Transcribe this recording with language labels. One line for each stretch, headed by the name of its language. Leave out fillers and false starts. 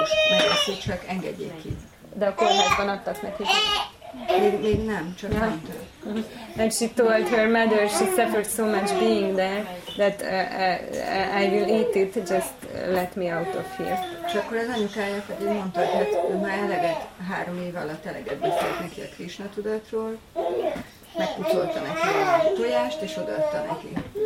Hungarian: Megeszi, csak engedjék ki. De a kórházban adtak neki. Még nem, csak nem tőle.
English: And she told her mother she suffered so much being there that I will eat it, just let me out of here.
Hungarian: És akkor az anyukája pedig mondta, hogy hát ő már eleget, 3 év alatt eleget beszélt neki a Krishna tudatról, megpucolta neki a tojást, és odaadta neki.